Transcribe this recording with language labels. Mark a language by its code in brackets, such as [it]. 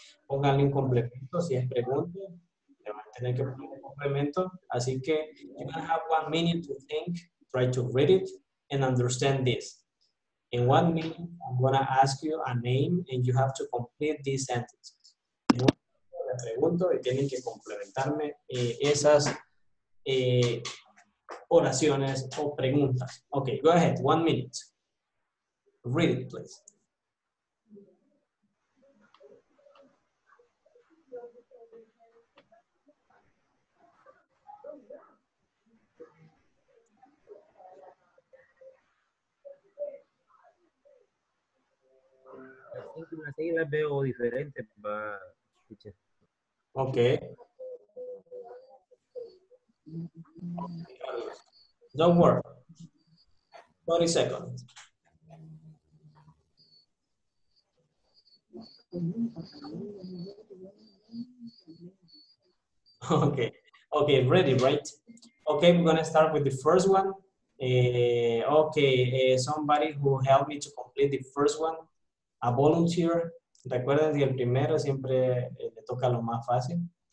[es] Pónganle un complemento, si es pregunta, le van a tener que poner un complemento. Así que, [en] you're gonna have 1 minute to think, try to read it and understand this. In 1 minute, I'm gonna ask you a name and you have to complete these sentences. [es] Pregunto y tienen que complementarme esas oraciones o preguntas. [en] Okay, go ahead, 1 minute. Read it, please. [es] Así la veo diferente para escuchar. [en] Okay. Don't worry. 20 seconds. Okay. Okay, ready, right? Okay, we're gonna start with the first one. Somebody who helped me to complete the first one, a volunteer. [es] Recuerden que el primero siempre le toca lo más fácil.